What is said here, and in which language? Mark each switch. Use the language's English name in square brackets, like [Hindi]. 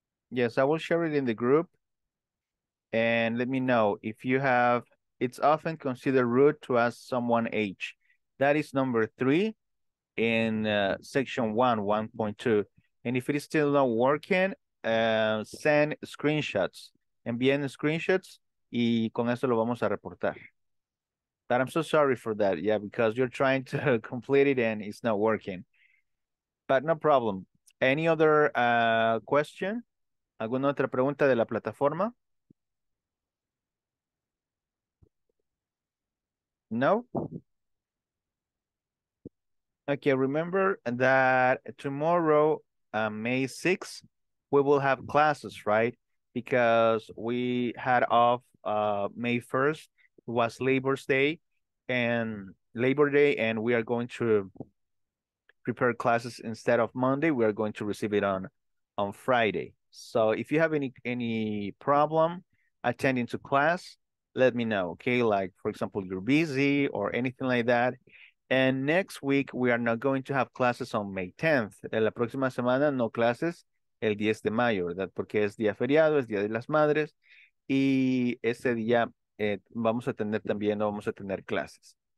[English] Yes, I will share it in the group. And let me know if you have, it's often considered rude to ask someone age. That is number three in section 1.2. And if it is still not working, send screenshots. [Spanish] Envíen screenshots y con eso lo vamos a reportar. [English] But I'm so sorry for that. Yeah, because you're trying to complete it and it's not working. But no problem. Any other question? [Spanish] ¿Alguna otra pregunta de la plataforma? [English] No? Okay, remember that tomorrow, May 6th, we will have classes, right? Because we had off May 1st, was Labor Day, and we are going to prepare classes instead of Monday. We are going to receive it on Friday. So if you have any problem attending to class, let me know, okay? Like, for example, you're busy or anything like that. And next week, we are not going to have classes on May 10th. [Spanish] En la próxima semana, no clases el 10 de mayo, ¿verdad? Porque es día feriado, es día de las madres. Y ese día vamos a tener también, no vamos a tener clases.